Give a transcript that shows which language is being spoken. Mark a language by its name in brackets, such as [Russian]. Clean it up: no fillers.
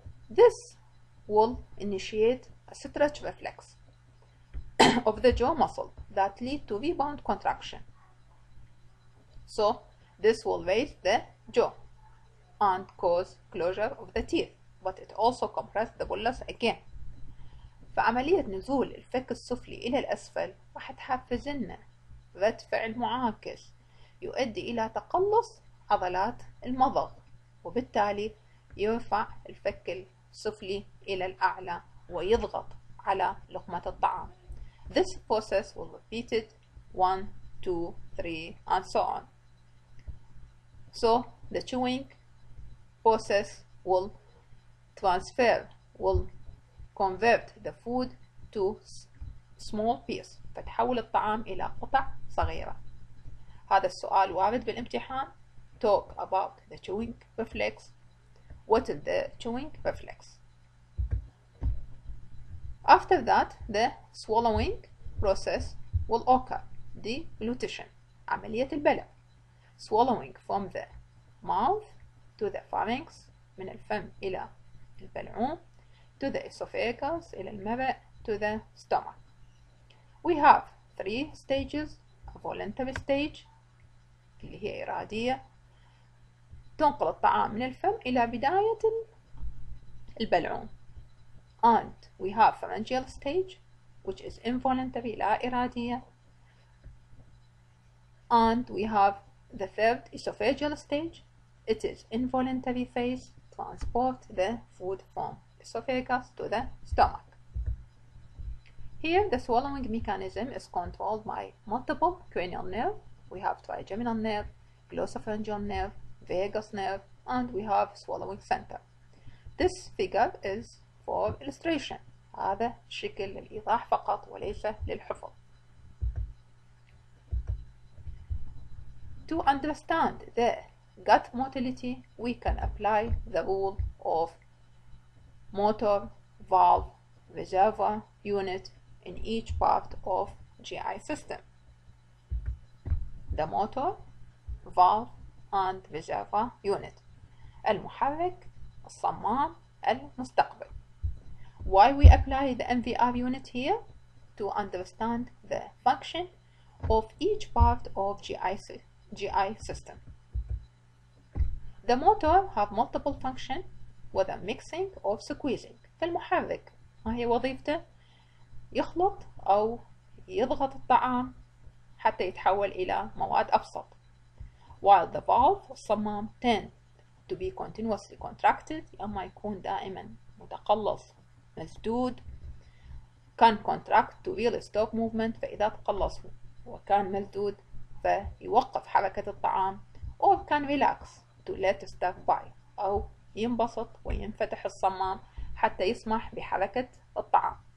[English] This will initiate a stretch reflex of the jaw muscle that lead to rebound contraction. So this will raise the jaw and cause closure of the teeth, but it also compresses the bolus again. [Arabic] فعملية نزول الفك السفلي إلى الأسفل راح تحفز لنا رد فعل معاكس يؤدي إلى تقلص عضلات المضغ. وبالتالي يرفع الفك السفلي إلى الأعلى ويضغط على لقمة الطعام. [English] This process will be repeated 1, 2, 3 and so on. So the chewing process will transfer, will convert the food to small piece. [Arabic] فتحول الطعام إلى قطع صغيرة. هذا السؤال وارد بالامتحان. [English] Talk about the chewing reflex. What is the chewing reflex? After that, the swallowing process will occur. The deglutition, [Arabic] عملية البلع. [English] Swallowing from the mouth to the pharynx, [Arabic] من الفم إلى البلعوم, [English] to the esophagus, [Arabic] إلى المرأة, [English] to the stomach. We have three stages. A voluntary stage, [Arabic] اللي هي إرادية. تنقل الطعام من الفم إلى بداية البلعوم. [English] And we have pharyngeal stage, which is involuntary, [Arabic] لا إرادية. [English] And we have the third esophageal stage. It is involuntary phase, transport the food from esophagus to the stomach. Here the swallowing mechanism is controlled by multiple cranial nerve. We have trigeminal nerve, glossopharyngeal nerve, vagus nerve, and we have swallowing center. This figure is for illustration. [Arabic] هذا شكل للإيضاح فقط وليس للحفظ. [English] To understand the gut motility, we can apply the rule of motor, valve, reservoir unit in each part of GI system. The motor, valve, and reservoir unit. [Arabic] المحرك, الصمام, المستقبل. [English] Why we apply the MVR unit here? To understand the function of each part of GI system. The motor have multiple function, whether mixing or squeezing. [Arabic] فالمحرك ما هي وظيفته؟ يخلط أو يضغط الطعام حتى يتحول إلى مواد أبسط. [English] While the valve, [Arabic] الصمام, [English] tend to be continuously contracted, [Arabic] يا أما يكون دائما متقلص مسدود, [English] can contract to real stop movement [Arabic] فإذا تقلص وكان ملدود فيوقف حركة الطعام [English] or can relax to let stuff by [Arabic] أو ينبسط وينفتح الصمام حتى يسمح بحركة الطعام